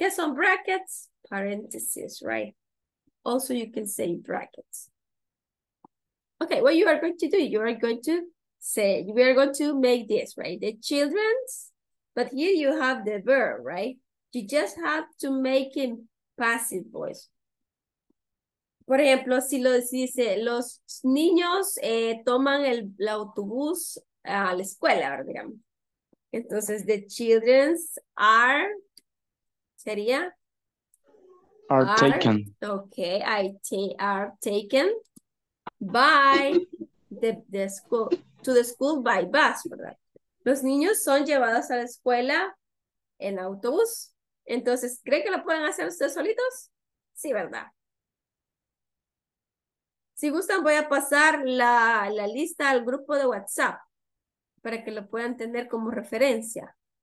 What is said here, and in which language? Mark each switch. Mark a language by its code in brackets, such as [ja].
[es] ¿Qué son brackets? Paréntesis, [en] right? Also, you can say brackets. Ok, what you are going to do, you are going to say, we are going to make this, right? The children's, but here you have the verb, right? You just have to make it passive voice. [es] Por ejemplo, si lo dice, los niños toman el autobús a la escuela, ¿verdad? Entonces, [en] the children's are, [es] sería? [en] Are taken. Okay, I think are taken by the school. To the school by bus, [es] ¿verdad? Los niños son llevados a la escuela en autobús. Entonces, ¿cree que lo pueden hacer ustedes solitos? Sí, ¿verdad? Si gustan, voy a pasar la lista al grupo de WhatsApp para que lo puedan tener como referencia.